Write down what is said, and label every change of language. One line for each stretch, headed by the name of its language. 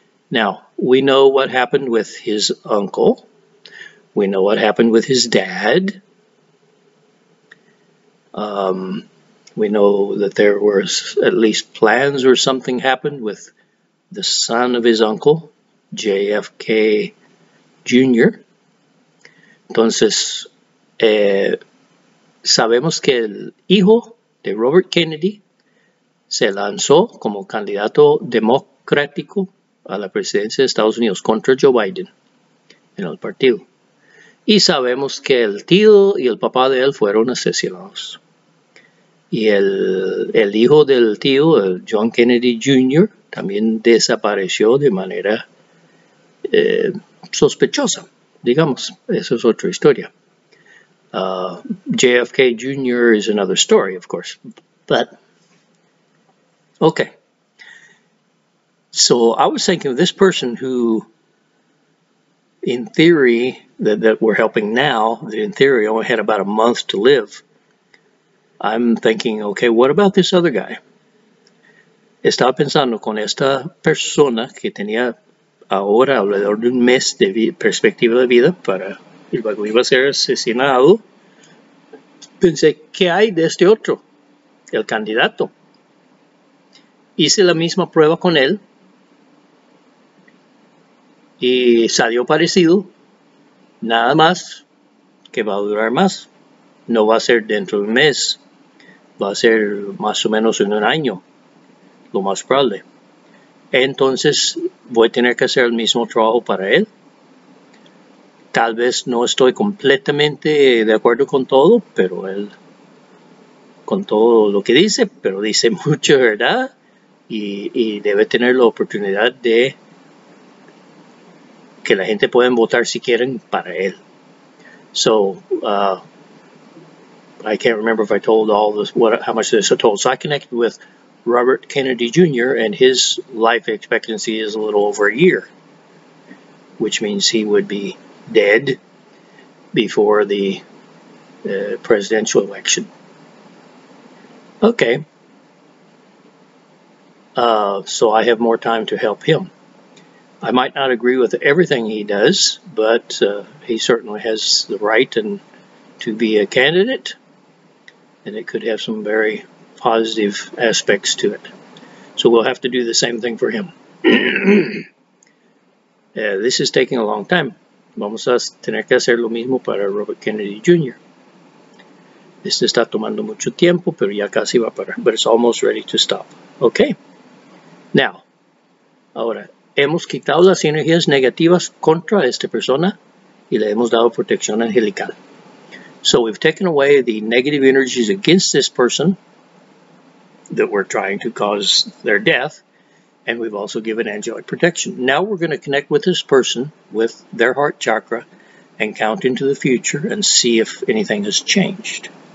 English: Now, we know what happened with his uncle. We know what happened with his dad. We know that there were at least plans or something happened with the son of his uncle, JFK Junior.
Spanish: Entonces, sabemos que el hijo de Robert Kennedy se lanzó como candidato democrático a la presidencia de Estados Unidos contra Joe Biden en el partido. Y sabemos que el tío y el papá de él fueron asesinados. Y el hijo del tío, el John Kennedy Jr., también desapareció de manera sospechosa, digamos. Esa es otra historia. JFK Jr.
English: is another story, of course. But, okay. So, I was thinking of this person who, in theory, that we're helping now, that in theory only had about a month to live. I'm thinking, okay, what about this other guy?
Spanish: Estaba pensando con esta persona que tenía ahora alrededor de un mes de perspectiva de vida para el que iba a ser asesinado. Pensé, ¿qué hay de este otro? El candidato. Hice la misma prueba con él. Y salió parecido, nada más, que va a durar más. No va a ser dentro de un mes, va a ser más o menos en un año, lo más probable. Entonces, voy a tener que hacer el mismo trabajo para él. Tal vez no estoy completamente de acuerdo con todo, pero él, con todo lo que dice, pero dice mucho, ¿verdad? Y debe tener la oportunidad de que la gente pueda votar si quieren para él.
English: So, I can't remember if I told all this, how much this I told. So I connected with Robert Kennedy Jr. and his life expectancy is a little over a year, which means he would be dead before the presidential election. Okay. So I have more time to help him. I might not agree with everything he does, but he certainly has the right and to be a candidate, and it could have some very positive aspects to it. So we'll have to do the same thing for him. this is taking a long time.
Spanish: Vamos a tener que hacer lo mismo para Robert Kennedy Jr.
English: This
Spanish: está tomando mucho tiempo, pero ya casi va para,
English: but it's almost ready to stop. Okay. Now,
Spanish: ahora, hemos quitado las energías negativas contra esta persona y le hemos dado protección angelical.
English: So we've taken away the negative energies against this person that we're trying to cause their death, and we've also given angelic protection. Now we're going to connect with this person, with their heart chakra, and count into the future and see if anything has changed.